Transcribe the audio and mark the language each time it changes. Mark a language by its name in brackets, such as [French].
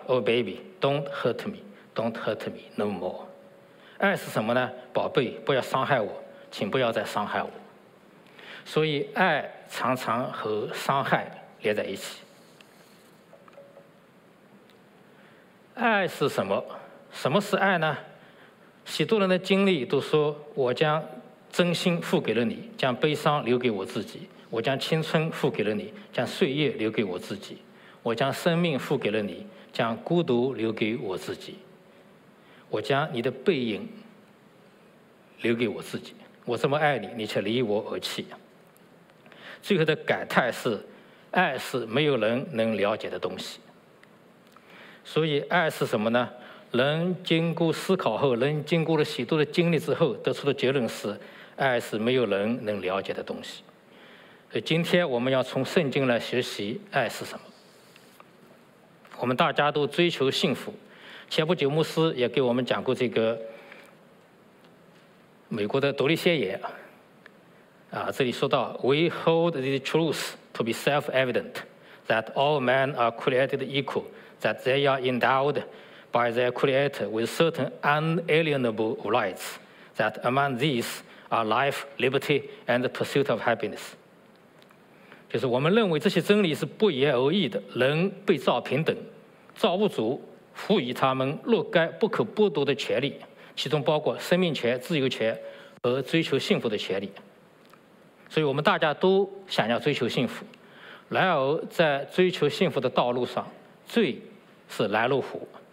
[English] Oh baby, don't hurt me, don't hurt me no more. [Chinese] 爱是什么呢？宝贝，不要伤害我，请不要再伤害我。所以爱常常和伤害连在一起。爱是什么？什么是爱呢？许多人的经历都说，我将真心付给了你，将悲伤留给我自己，我将青春付给了你，将岁月留给我自己，我将生命付给了你，将孤独留给我自己，我将你的背影留给我自己，我这么爱你，你却离我而去。最后的感叹是，爱是没有人能了解的东西。所以爱是什么呢？人经过思考后，人经过了许多的经历之后，得出的结论是，爱是没有人能了解的东西。所以今天我们要从圣经来学习爱是什么。我们大家都追求幸福，前不久牧师也给我们讲过这个美国的独立宣言啊，这里说到 [English] We hold the truth to be self-evident that all men are created equal, that they are endowed by their creator with certain unalienable rights, that among these are life, liberty, and the pursuit of happiness. [Chinese] 就是我们认为这些真理是不言而喻的，人被造平等，造物主赋予他们若干不可剥夺的权利，其中包括生命权、自由权和追求幸福的权利。所以我们大家都想要追求幸福，然而在追求幸福的道路上，罪是拦路虎。